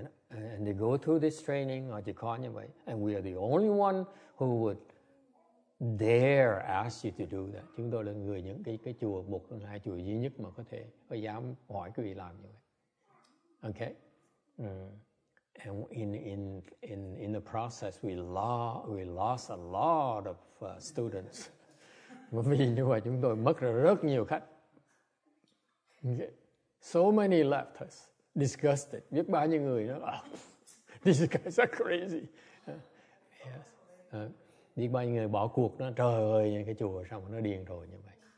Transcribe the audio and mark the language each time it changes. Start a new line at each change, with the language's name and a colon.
English: And they go through this training or they call anyway, and we are the only one who would dare ask you to do that.
Vietnamese: Chúng tôi là người những cái chùa một trong hai chùa duy nhất mà có dám hỏi quý vị làm như vậy. Okay.
English: And in the process we lost a lot of students.
Vietnamese: Vì như vậy chúng tôi mất rất nhiều khách. Okay.
English: So many left us disgusted.
Vietnamese: Biết bao nhiêu người nói,
English: these guys are crazy. Yes.
Vietnamese: Biết bao nhiêu người bỏ cuộc nó, trời ơi, cái chùa xong nó điên rồi như vậy.